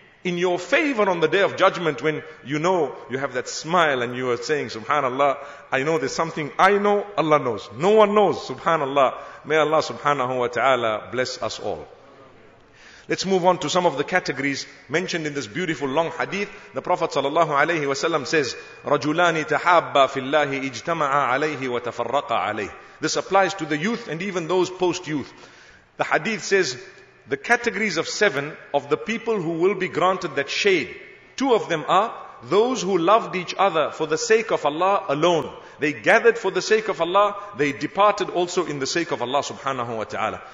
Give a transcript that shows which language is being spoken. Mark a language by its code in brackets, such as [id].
[en] in your favor on the day of judgment, when you know you have that smile and you are saying, Subhanallah, I know there's something I know, Allah knows. No one knows, Subhanallah. May Allah subhanahu wa ta'ala bless us all. Let's move on to some of the categories mentioned in this beautiful long hadith. The Prophet sallallahu alayhi wa sallam says, [ar] رَجُلَانِ تَحَابَّ فِي اللَّهِ اِجْتَمَعَ عَلَيْهِ وَتَفَرَّقَ عَلَيْهِ. [en] This applies to the youth and even those post-youth. The hadith says, the categories of seven of the people who will be granted that shade, two of them are those who loved each other for the sake of Allah alone. They gathered for the sake of Allah, they departed also in the sake of Allah subhanahu wa ta'ala.